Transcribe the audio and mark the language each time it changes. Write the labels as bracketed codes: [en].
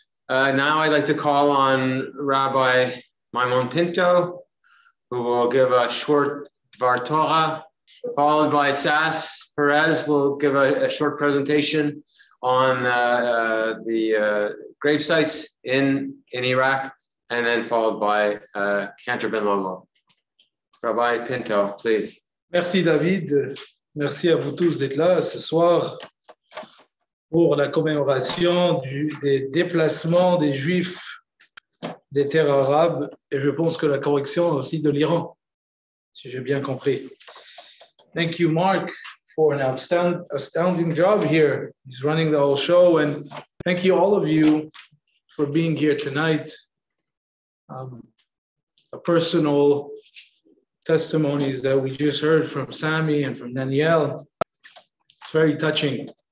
[en] Now I'd like to call on Rabbi Maimon Pinto, who will give a short Dvar Torah, followed by Sass Perez, who will give a short presentation on the grave sites in Iraq, and then followed by Cantor Ben Lolo. Rabbi Pinto, please. [fr] Merci, David. Merci à vous tous d'être là ce soir pour la commémoration des déplacements des Juifs des terres arabes, et je pense que la correction aussi de l'Iran, si j'ai bien compris. [en] Thank you, Mark, for an astounding job here. He's running the whole show, and thank you all of you for being here tonight. A personal testimonies that we just heard from Sami and from Danielle. It's very touching.